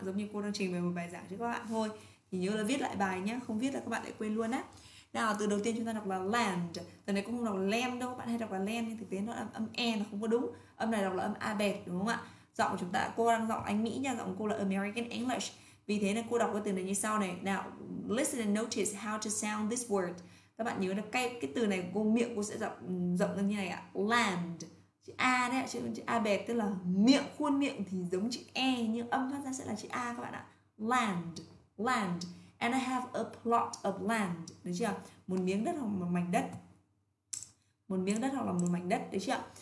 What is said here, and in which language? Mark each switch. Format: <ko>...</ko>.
<vi>Giống như cô đang trình bày một bài giảng cho các bạn thôi. Thì nhớ là viết lại bài nhé, không viết là các bạn lại quên luôn á. Nào, từ đầu tiên chúng ta đọc là land. Từ này cũng không đọc là land đâu, các bạn hay đọc là land nhưng thực tế nó là âm e, nó không có đúng. Âm này đọc là âm abet, đúng không ạ? Giọng của chúng ta, cô đang giọng Anh Mỹ nha, giọng của cô là American English. Vì thế nên cô đọc cái từ này như sau này.</vi> <en>Now, listen and notice how to sound this word.</en> <vi>Các bạn nhớ là cái từ này cô miệng cô sẽ giọng như này ạ. Land. Chữ A đấy, chữ A bẹt, tức là miệng, khuôn miệng thì giống chữ E nhưng âm phát ra sẽ là chữ A các bạn ạ.</vi> <en>Land. Land. And I have a plot of land.</en> <vi>Được chưa? Một miếng đất hoặc một mảnh đất. Một miếng đất hoặc là một mảnh đất, được chưa?</vi>